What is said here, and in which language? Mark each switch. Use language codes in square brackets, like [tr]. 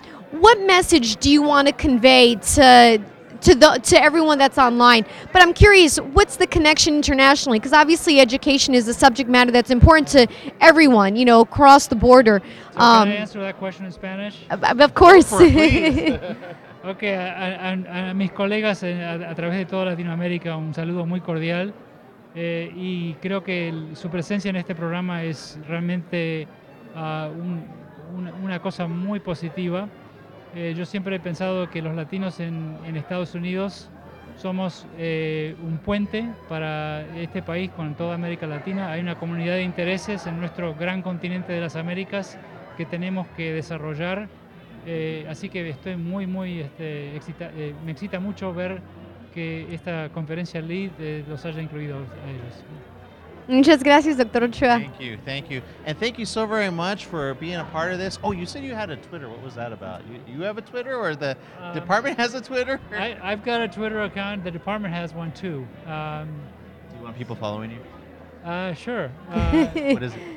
[en] What message do you want to convey to everyone that's online? But I'm curious, what's the connection internationally? Because obviously education is a subject matter that's important to everyone, you know, across the border. So can I answer that question in Spanish? Of course. [es] Okay, a mis colegas a través de toda Latinoamérica, un saludo muy cordial. Y creo que su presencia en este programa es realmente una cosa muy positiva. Yo siempre he pensado que los latinos en Estados Unidos somos un puente para este país con toda América Latina. Hay una comunidad de intereses en nuestro gran continente de las Américas que tenemos que desarrollar. Así que estoy muy, muy excitado. Me excita mucho ver que esta conferencia LEAD los haya incluido a ellos. Muchas gracias, Dr. Ochoa. [en] Thank you, thank you. And thank you so very much for being a part of this. Oh, you said you had a Twitter. What was that about? You have a Twitter, or the department has a Twitter? I've got a Twitter account. The department has one, too. Do you want people following you? Sure. what is it?